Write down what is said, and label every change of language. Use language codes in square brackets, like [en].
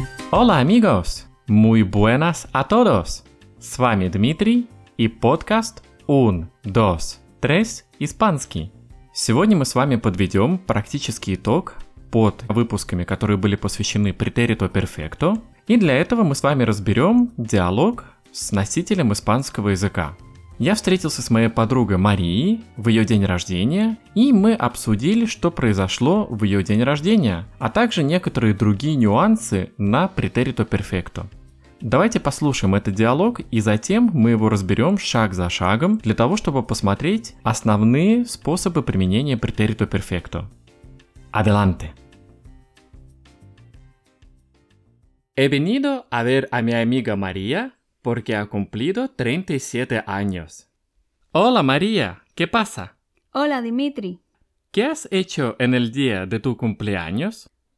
[es] Hola amigos, muy buenas a todos. [ru] С вами Дмитрий и подкаст Un, Dos, Tres испанский. Сегодня мы с вами подведем практический итог под выпусками, которые были посвящены претерито перфекто. И для этого мы с вами разберем диалог с носителем испанского языка. Я встретился с моей подругой Марией в ее день рождения, и мы обсудили, что произошло в ее день рождения, а также некоторые другие нюансы на претерито перфекто. Давайте послушаем этот диалог, и затем мы его разберем шаг за шагом для того, чтобы посмотреть основные способы применения претерито перфекто. [es] Adelante. He venido a ver a mi amiga María porque ha cumplido 37 años. Hola María, ¿qué pasa? Hola Dimitri. ¿Qué has hecho en el día de tu cumpleaños?